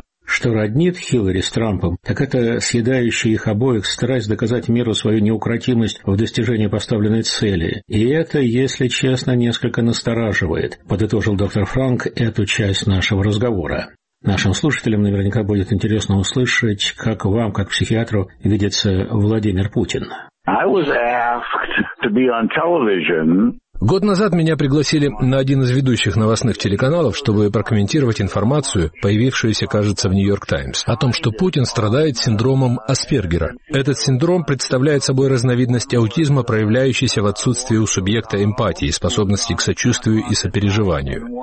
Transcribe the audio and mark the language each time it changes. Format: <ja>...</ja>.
<ru>Что роднит Хиллари с Трампом, так это съедающая их обоих страсть доказать миру свою неукротимость в достижении поставленной цели. И это, если честно, несколько настораживает, подытожил доктор Франк эту часть нашего разговора. Нашим слушателям наверняка будет интересно услышать, как вам, как психиатру, видится Владимир Путин.</ru> <en>I was asked to be on television.</en> <ru>Год назад меня пригласили на один из ведущих новостных телеканалов, чтобы прокомментировать информацию, появившуюся, кажется, в «Нью-Йорк Таймс», о том, что Путин страдает синдромом Аспергера. Этот синдром представляет собой разновидность аутизма, проявляющийся в отсутствии у субъекта эмпатии, способности к сочувствию и сопереживанию.</ru>